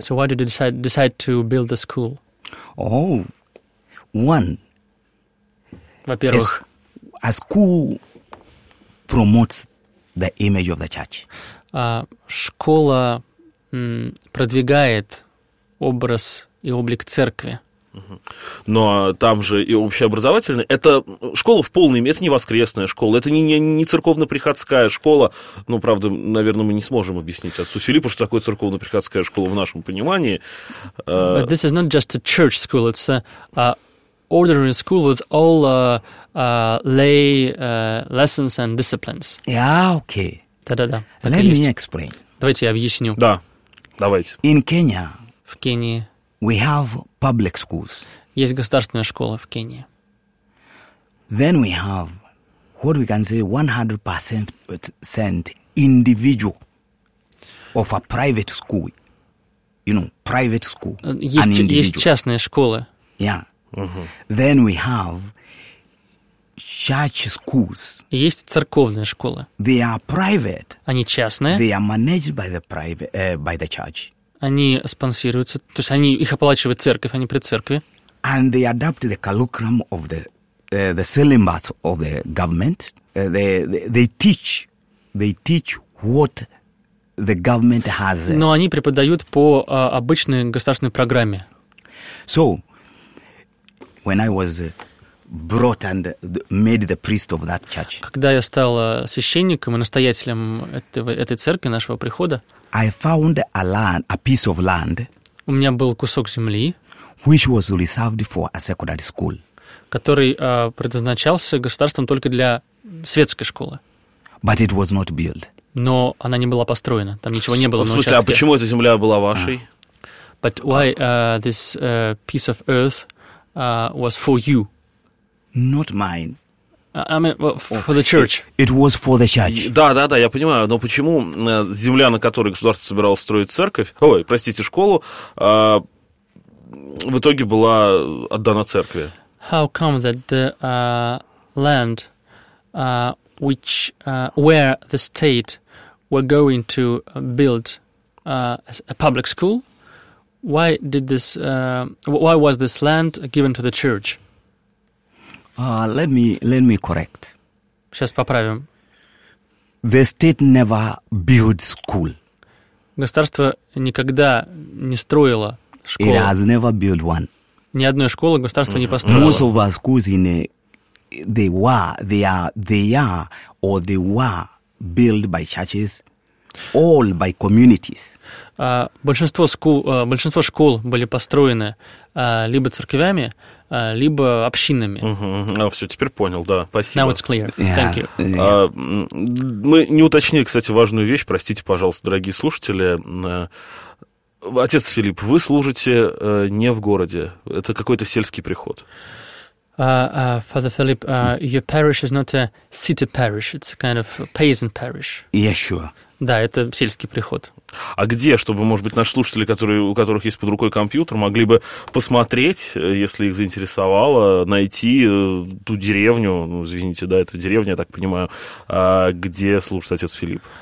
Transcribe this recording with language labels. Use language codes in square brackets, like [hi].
[en] So why did you decide to build a school? Oh, one. [ru] Во-первых, [en] a school promotes the image of the church. [ru] Школа продвигает образ и облик церкви. Но там же и общеобразовательная. Это школа в полной мере, это не воскресная школа, это не церковно-приходская школа. Ну, правда, наверное, мы не сможем объяснить отцу Филиппу, что такое церковно-приходская школа в нашем понимании. [en] But this is not just a church school, it's a ordinary school with all lay lessons and disciplines. Yeah, okay. [ru] Да-да-да. [en] Let me explain. [ru] Давайте я объясню. Да, давайте. [en] In Kenya. [ru] В Кении. [en] We have public schools. [ru] Есть государственная школа в Кении. [en] Then we have what we can say 100% individual of a private school. You know, private school. [ru] Есть частные школы. [en] Yeah. Uh-huh. Then we have church schools. [ru] Есть церковные школы. [en] They are private. [ru] Они частные. [en] They are managed by the private, by the church. [ru] Они спонсируются, то есть они, их оплачивает церковь, а не при церкви. [en] And they adapt the curriculum of the syllabus of the government. They teach what the government has. [ru] Но они преподают по обычной государственной программе. [en] So, when I was brought and made the priest of that church. [ru] Когда я стал священником и настоятелем этой церкви, нашего прихода, [en] I found a land, a piece of land. [ru] У меня был кусок земли, [en] which was reserved for a secondary school. [ru] Который предназначался государством только для светской школы. [en] But it was not built. [ru] Но она не была построена, там ничего не было. В смысле, а почему эта земля была вашей? [en] But why this piece of earth was for you? Not mine. I mean, well, for the church. It was for the church. [ru] Да, да, да, я понимаю, но почему земля, на которой государство собиралось строить церковь, ой, простите, школу, в итоге была отдана церкви? [en] How come that the land which where the state were going to build a public school, why did this why was this land given to the church? Let me correct. [ru] Сейчас поправим. [en] The state never built school. [ru] Государство никогда не строило школу. [en] It has never built one. [ru] Ни одной школы государство не построило. [en] Most of our schools in they were built by churches, all by communities. [ru] Большинство школ были построены либо церквями, либо общинами. Все, теперь понял, да, спасибо. [en] Now it's clear, yeah. Thank you. [ru] Мы не уточнили, кстати, важную вещь, простите, пожалуйста, дорогие слушатели. Отец Филипп, вы служите не в городе, это какой-то сельский приход. [en] Father Philip, your parish is not a city parish, it's a kind of a peasant parish. Yes, sure. [ru] Да, это сельский приход. А где, чтобы, может быть, наши слушатели, которые, у которых есть под рукой компьютер, могли бы посмотреть, если их заинтересовало, найти ту деревню, ну, извините, да, это деревня, я так понимаю, где служит отец Филипп?